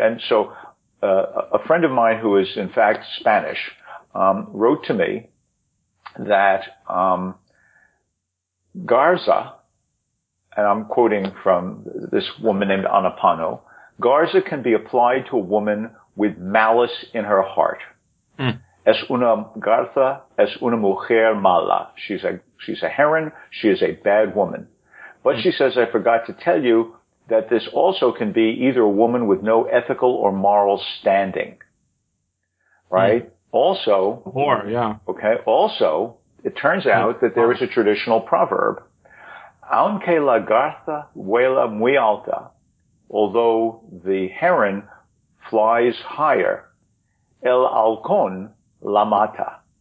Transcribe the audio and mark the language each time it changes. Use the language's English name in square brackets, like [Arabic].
[English] And so, a friend of mine who is in fact Spanish, wrote to me that, Garza, and I'm quoting from this woman named Anapano, Garza can be applied to a woman with malice in her heart. Mm. [Spanish] Es una garza, es una mujer mala. [English] She's a heron, she is a bad woman. But she says, I forgot to tell you that this also can be either a woman with no ethical or moral standing. Right? Mm. Also. Whore, yeah. Okay. Also, it turns out that there is a traditional proverb. [Spanish] Aunque la garza vuela muy alta, [English] although the heron flies higher, [Spanish] el halcón la mata.